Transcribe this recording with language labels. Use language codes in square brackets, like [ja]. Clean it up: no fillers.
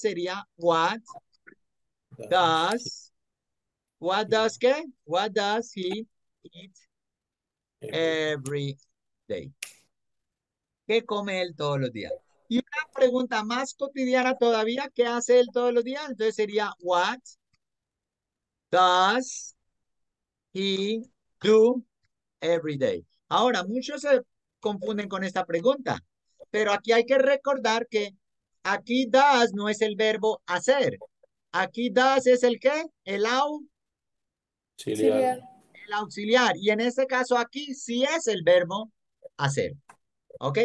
[en] Sería, what does qué? What does he eat every day? [es] ¿Qué come él todos los días? Y una pregunta más cotidiana todavía, ¿qué hace él todos los días? Entonces sería, [en] what does he do every day? [es] Ahora, muchos se confunden con esta pregunta, pero aquí hay que recordar que aquí does no es el verbo hacer. Aquí does es el qué, Auxiliar. el auxiliar. Y en este caso aquí sí es el verbo hacer. ¿Ok?